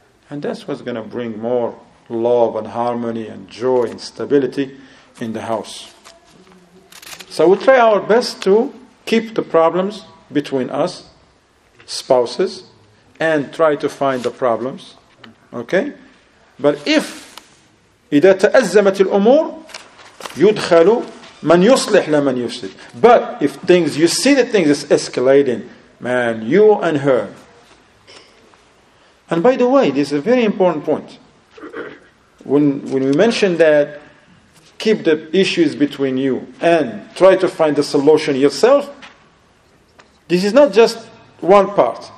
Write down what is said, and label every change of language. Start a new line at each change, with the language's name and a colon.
English: And that's what's going to bring more love and harmony and joy and stability in the house. So we try our best to keep the problems between us, spouses, and try to find the problems. Okay? But if
Arabic: إذا تأزمت الأمور يدخل من يصلح لمن يفسد.
English: But if things, you see the things is escalating, man, you and her. And by the way, this is a very important point. When we mention that, keep the issues between you and try to find the solution yourself, this is not just one part.